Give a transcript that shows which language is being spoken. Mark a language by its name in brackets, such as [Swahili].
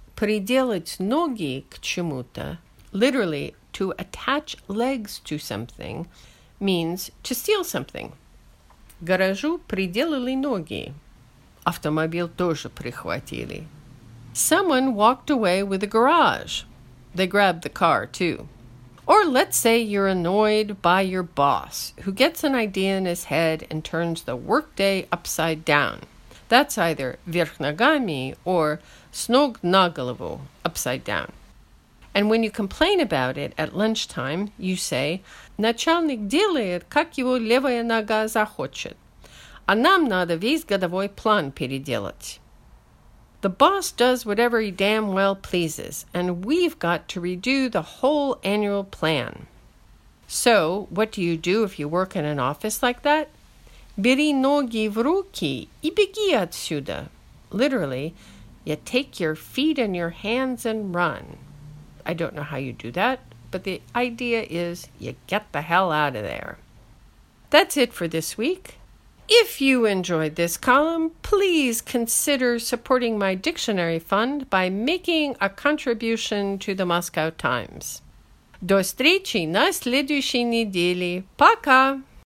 [Russian] Приделать ноги к чему-то, [English] literally to attach legs to something, means to steal something. [Russian] Гаражу приделали ноги. Автомобиль тоже прихватили. [English] Someone walked away with the garage. They grabbed the car too. Or let's say you're annoyed by your boss, who gets an idea in his head and turns the workday upside down. That's either [Russian] вверх ногами [English] or [Russian] с ног на голову, [English] upside down. And when you complain about it at lunchtime, you say, [Russian] начальник делает, как его левая нога захочет. А нам надо весь годовой план переделать. [English] The boss does whatever he damn well pleases, and we've got to redo the whole annual plan. So, what do you do if you work in an office like that? [Russian] Бери ноги в руки и беги отсюда. [English] Literally, you take your feet and your hands and run. I don't know how you do that, but the idea is you get the hell out of there. That's it for this week. If you enjoyed this column, please consider supporting my dictionary fund by making a contribution to the Moscow Times. [Russian] До встречи на следующей неделе. Пока!